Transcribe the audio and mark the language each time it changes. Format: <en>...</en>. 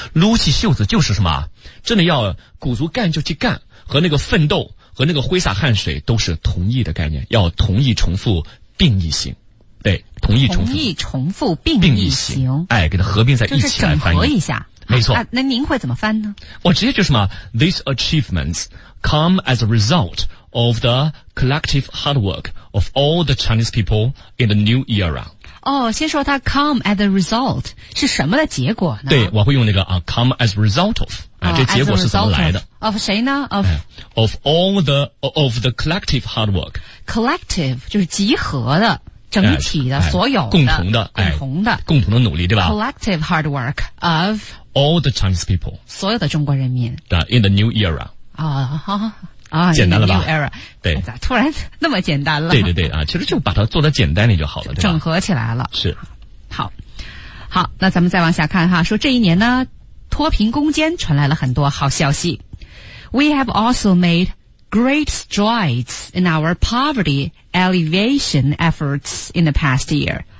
<zh>撸起袖子就是什么，真的要鼓足干就去干，和那个奋斗和那个挥洒汗水都是同义的概念，要同义重复并义行。对，同义重复，同义重复并义行，哎，给它合并在一起来翻译，就是整合一下，没错。那您会怎么翻呢？我直接就是嘛</zh> <en>，These achievements come as a result of the collective hard work of all the Chinese people in the new era。</en> <zh>哦，先说它</zh> <en>come as a result</en> <zh>是什么的结果呢？对，我会用那个啊 ，</zh> <en>come as a result of。啊、</en> <zh>这结果是怎么来的</zh> <en>of</en> <zh>谁呢</zh> <en>of the collective hard work，</en> <zh>collective 就是集合的整体的、所有的共同的、共同的努力，对吧？</zh> <en>collective hard work of all the Chinese people，</en> <zh>所有的中国人民</zh> <en>in the new era 啊，</en> <zh>简单了吧</zh> <en>new era，</en> <zh>对，突然那么简单了，对对对啊，其实就把它做得简单点就好了，对吧？整合起来了，是好好。那咱们再往下看哈，说这一年呢，脱贫攻坚传来了很多好消息。</zh> <en>We have also made great strides in our poverty alleviation efforts in the past year.</en>